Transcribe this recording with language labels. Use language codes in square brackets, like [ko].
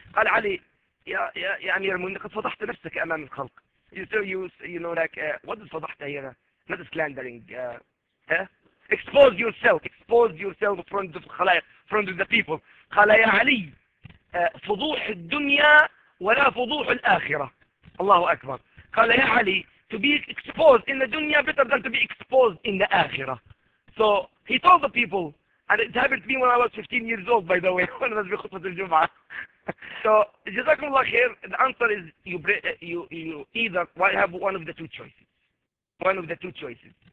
[ar] قال علي يا يا يا أمير المؤمنين قد فضحت نفسك أمام الخلق. [en] What is فضحت here? Not slandering. Expose yourself. Expose yourself front of خلايا, front of the people. [ar] قال يا علي فضوح الدنيا ولا فضوح الآخرة. الله أكبر. قال يا علي [en] to be exposed in the dunya better than to be exposed in the akhirah. So he told the people, and it happened to me when I was 15 years old, by the way, when I was in khutbah al-jum'ah. So jazakumullah khair. The answer is you either have one of the two choices. One of the two choices.